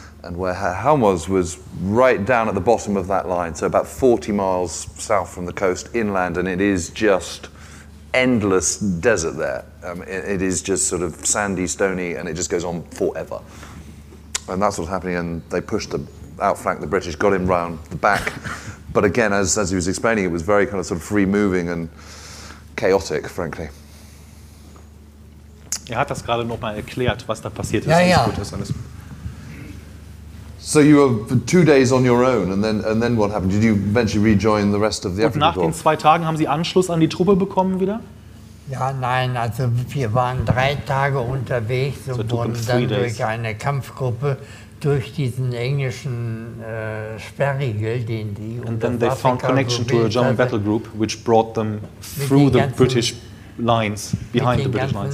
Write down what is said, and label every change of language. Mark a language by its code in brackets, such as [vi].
[en] And where Herr Haum was right down at the bottom of that line, so about 40 miles south from the coast, inland, and it is just endless desert there. It is just sort of sandy, stony, and it just goes on forever. And that's what's happening, and they pushed the, outflanked the British, got him round the back. But again, as he was explaining, it was very kind of sort of free-moving and chaotic, frankly. [de] Er hat das gerade noch mal erklärt, was da passiert ist. Ja, ja. [en] So you were for 2 days on your own, and then what happened? Did you eventually rejoin the rest of the Afrika [de] Korps? Und nach den zwei Tagen haben Sie Anschluss an die Truppe bekommen wieder? Ja, nein, also wir waren 3 Tage unterwegs und wurden dann durch eine Kampfgruppe durch diesen englischen Sperrriegel, den die Afrika [en] And then they found connection to a German battle group, which brought them through the British lines, behind the British lines.